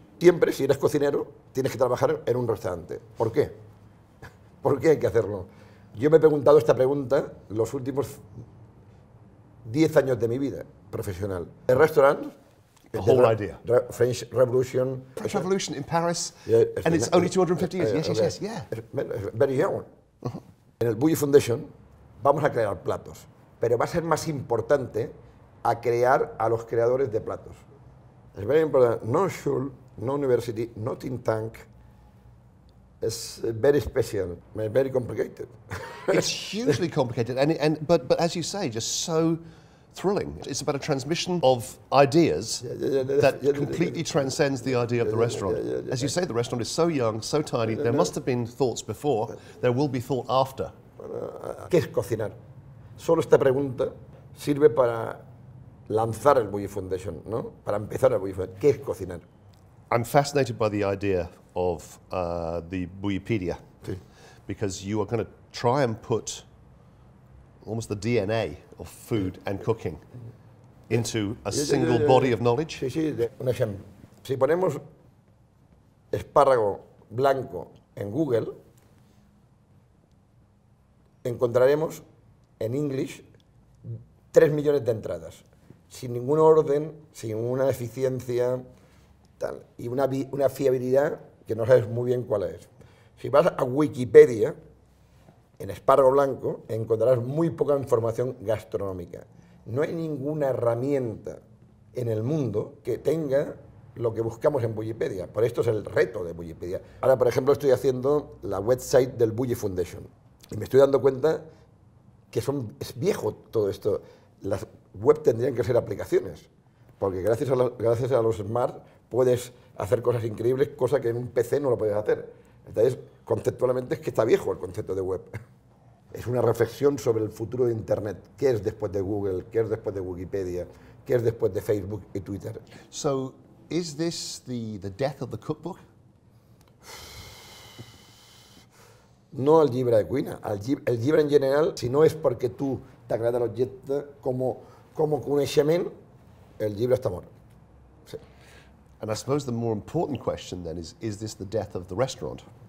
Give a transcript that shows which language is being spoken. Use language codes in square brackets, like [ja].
[es] Siempre, si eres cocinero, tienes que trabajar en un restaurante. ¿Por qué? ¿Por qué hay que hacerlo? Yo me he preguntado esta pregunta los últimos 10 años de mi vida profesional. El restaurante... [en] The whole idea. French Revolution. French Revolution in Paris, and it's only 250 years. Yes, very young. [es] En ElBulli Foundation vamos a crear platos, pero va a ser más importante a crear a los creadores de platos. Es muy importante. [en] No school, no university, no think tank. It's very special, very complicated. It's hugely complicated, but as you say, just so thrilling. It's about a transmission of ideas that completely transcends the idea of the restaurant. As you say, the restaurant is so young, so tiny. There must have been thoughts before. There will be thought after. [es] ¿Qué es cocinar? Solo esta pregunta sirve para lanzar el Bulli Foundation, ¿no? Para empezar el Bulli Foundation. ¿Qué es cocinar? [en] I'm fascinated by the idea of the Bullipedia, sí. Because you are going to try and put almost the DNA of food and cooking into a single body of knowledge. [es] Sí, sí, un ejemplo. Si ponemos espárrago blanco en Google, encontraremos en English 3 millones de entradas, sin ningún orden, sin una eficiencia tal, y una fiabilidad que no sabes muy bien cuál es. Si vas a Wikipedia, en espárrago blanco, encontrarás muy poca información gastronómica. No hay ninguna herramienta en el mundo que tenga lo que buscamos en Wikipedia. Por esto es el reto de Wikipedia. Ahora, por ejemplo, estoy haciendo la website del Bulli Foundation y me estoy dando cuenta que es viejo todo esto. Las web tendrían que ser aplicaciones, porque gracias a los smart puedes hacer cosas increíbles, cosa que en un PC no lo puedes hacer. Entonces, conceptualmente es que está viejo el concepto de web. Es una reflexión sobre el futuro de Internet. ¿Qué es después de Google? ¿Qué es después de Wikipedia? ¿Qué es después de Facebook y Twitter? [en] So, is this the death of the cookbook? [ca] No al llibre de cuina. El llibre en general, si no es porque tú t'agrada l'objecte como coneixement, el llibre està mort. [en] And I suppose the more important question then is this the death of the restaurant?